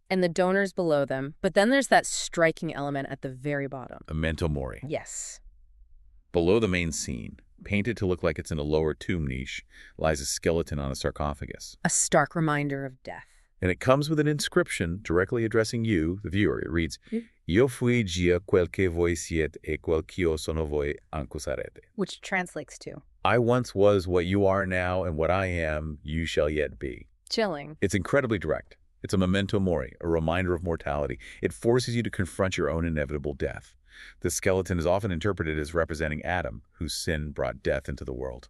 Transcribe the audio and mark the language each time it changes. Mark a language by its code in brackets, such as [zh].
[en] And the donors below them. But then there's that striking element at the very bottom. Memento mori. Yes. Below the main scene, painted to look like it's in a lower tomb niche, lies a skeleton on a sarcophagus. A stark reminder of death. And it comes with an inscription directly addressing you, the viewer. It reads, [it] Io fui già quel che voi siete e quel che io sono voi anche sarete. [en] Which translates to, I once was what you are now, and what I am, you shall yet be. Chilling. It's incredibly direct. It's a memento mori, a reminder of mortality. It forces you to confront your own inevitable death. The skeleton is often interpreted as representing Adam, whose sin brought death into the world.